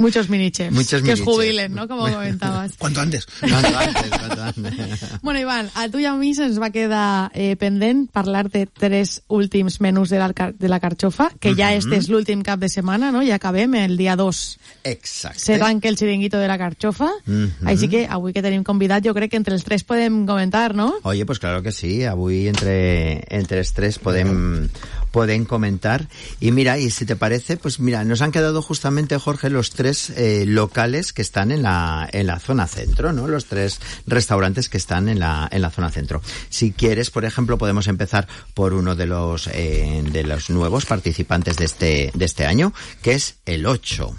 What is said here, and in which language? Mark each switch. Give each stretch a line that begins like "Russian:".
Spanish: Muchos mini chefs. Muchos mini chefs. Que os jubilen, ¿no? Como comentabas. Cuanto antes. Bueno, Iván, a tu y a mí se nos va a quedar
Catalan: pendent parlar de tres últims menús de la carxofa,
Spanish: que ya este es el
Catalan: últim cap de semana,
Spanish: ¿no? Ya acabé. El dia 2.
Catalan: Exacte. Se tanca el xiringuito de la carxofa. Mm-hmm. Així que avui que tenim convidat, jo crec que entre els tres podem comentar, no?
Spanish: Oye, pues claro que sí.
Catalan: Avui entre els tres podem comentar.
Spanish: Y mira, y si te parece, pues mira, nos han quedado justamente, Jorge, los tres locales que están en la zona centro, ¿no? Los tres restaurantes que están en la zona centro. Si quieres, por ejemplo, podemos empezar por uno de los nuevos participantes de este año, que es El 8.